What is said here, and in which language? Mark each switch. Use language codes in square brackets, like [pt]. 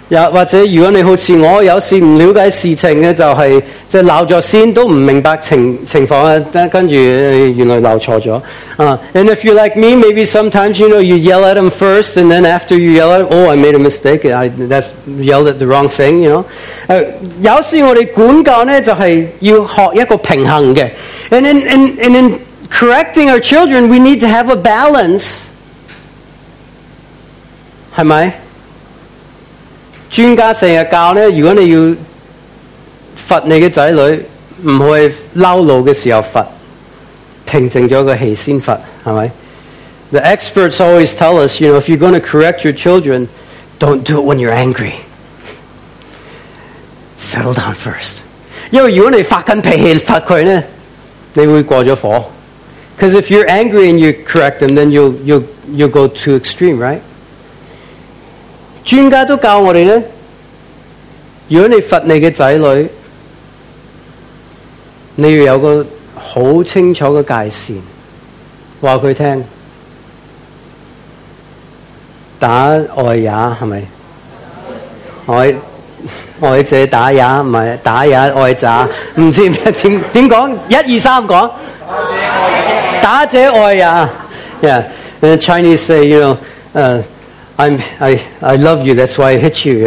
[zh] 或者如果你好像我，有时不了解事情呢，就是闹了线，都不明白情况，跟着原来闹错了。 [en] And if you're like me, maybe sometimes, you know, you yell at them first, and then after you yell at them, oh, I made a mistake, that's yelled at the wrong thing, you know. [zh] 有时我们管教呢，就是要学一个平衡的。 [en] And in correcting our children, we need to have a balance. [zh] 是吗? 专家经常教呢, 如果你要罚你的子女, 不去生气的时候罚, 平静了个气先罚, 是吗? [en] The experts always tell us, you know, if you're going to correct your children, don't do it when you're angry. Settle down first. [zh] 因为如果你发脾气罚他呢, 你会过了火。 [en] Because if you're angry and you correct them, then you'll go to extreme, right? [zh] 专家都教我们呢, 如果你罚你的子女, 你要有个很清楚的界线, 告诉他, 打爱也, 是吧? 爱者打也, 不是打也爱者, 不知道怎么说, 1, 2, 3说, 打者爱也, yeah. [en] And the Chinese say, you know, I love you, that's why I hit you.